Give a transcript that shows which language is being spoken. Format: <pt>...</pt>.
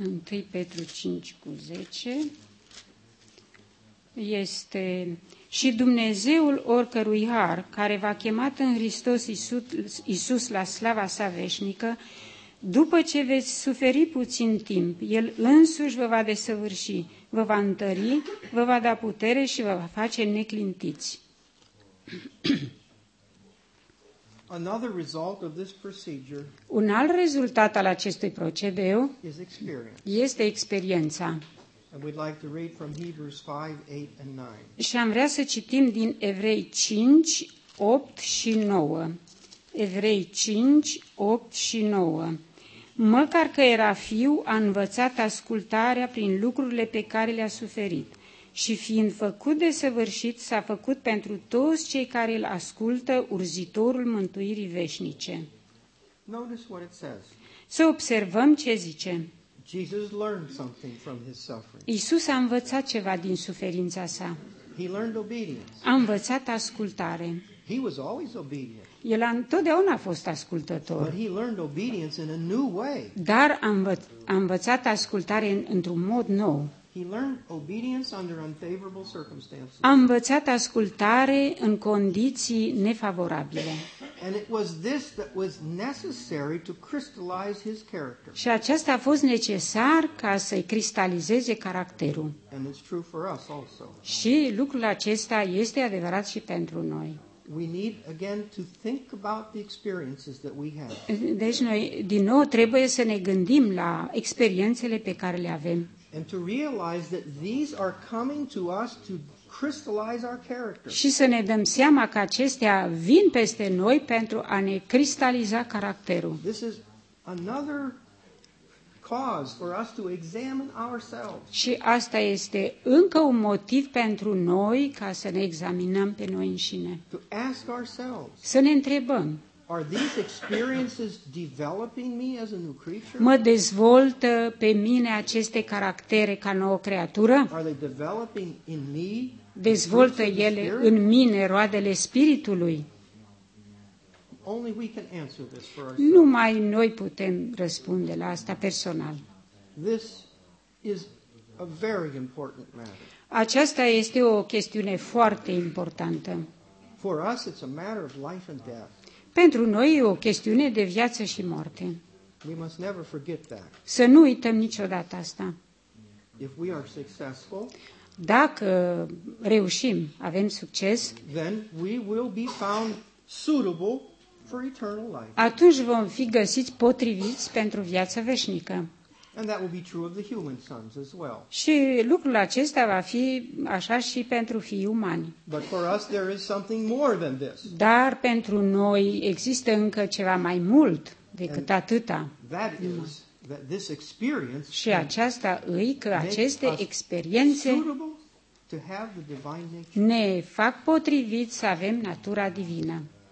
<ro>1 Petru 5 cu 10 este: și Dumnezeul oricărui har, care v-a chemat în Hristos Iisus la slava sa veșnică, după ce veți suferi puțin timp, El însuși vă va desăvârși, vă va întări, vă va da putere și vă va face neclintiți.</ro> <en>Another result of this procedure.</en> <ro>Un alt rezultat al acestui procedeu este experiența.</ro> <en>And we'd like to read from Hebrews 5, 8 and 9.</en> <ro>Și am vrea să citim din Evrei 5, 8 și 9. Evrei 5, 8 și 9. Măcar că era fiu, a învățat ascultarea prin lucrurile pe care le-a suferit. Și fiind făcut desăvârșit, s-a făcut pentru toți cei care îl ascultă urzitorul mântuirii veșnice.</ro> <en>Notice what it says.</en> <ro>Să observăm ce zice.</ro> <en>Jesus learned something from his suffering.</en> <ro>Iisus a învățat ceva din suferința sa.</ro> <en>He learned obedience.</en> <ro>A învățat ascultare.</ro> <en>He was always obedient.</en> <ro>El întotdeauna a fost ascultător.</ro> <en>But he learned obedience in a new way.</en> <ro>Dar a învățat ascultare într-un mod nou.</ro> <en>He learned obedience under unfavorable circumstances.</en> <ro>A învățat ascultare în condiții nefavorabile.</ro> <en>And it was this that was necessary to crystallize his character.</en> <ro>Și aceasta a fost necesar ca să-i cristalizeze caracterul.</ro> <en>And it's true for us also.</en> <ro>Și lucrul acesta este adevărat și pentru noi.</ro> <en>We need again to think about the experiences that we have.</en> <ro>Deci noi din nou trebuie să ne gândim la experiențele pe care le avem.</ro> <en>And to realize that these are coming to us to crystallize our character.</en> <ro>Și să ne dăm seama că acestea vin peste noi pentru a ne cristaliza caracterul.</ro> <en>This is another cause for us to examine ourselves.</en> <ro>Și asta este încă un motiv pentru noi ca să ne examinăm pe noi înșine.</ro> <en>To ask ourselves.</en> <ro>Să ne întrebăm.</ro> <en>Are these experiences developing me as a new creature?</en> <ro>Mă dezvoltă pe mine aceste caractere ca nouă creatură?</ro> <en>Are they developing in me?</en> <ro>Dezvoltă ele în mine roadele Spiritului?</ro> <en>Only we can answer this for ourselves.</en> <ro>Numai noi putem răspunde la asta personal.</ro> <en>This is a very important matter.</en> <ro>Aceasta este o chestiune foarte importantă.</ro> <en>For us it's a matter of life and death.</en> <ro>Pentru noi e o chestiune de viață și moarte.</ro> <en>We must never forget that.</en> <ro>Să nu uităm niciodată asta.</ro> <en>If we are successful,</en> <ro>dacă reușim, avem succes,</ro> <en>then we will be found suitable for eternal life.</en> <ro>Atunci vom fi găsiți potriviți pentru viața veșnică.</ro> <en>And that will be true of the human sons as well.</en> <ro>Și lucrul acesta va fi așa și pentru fii umani.</ro> <en>But for us there is something more than this.</en> <ro>Dar pentru noi există încă ceva mai mult decât</ro> <en>and</en> <ro>atâta.</ro> <en>That is that this experience.</en> <ro>Și aceasta îi că aceste experiențe</ro> <en>to have the divine nature.</en> <ro>Ne fac potrivit să avem natura divină.</ro>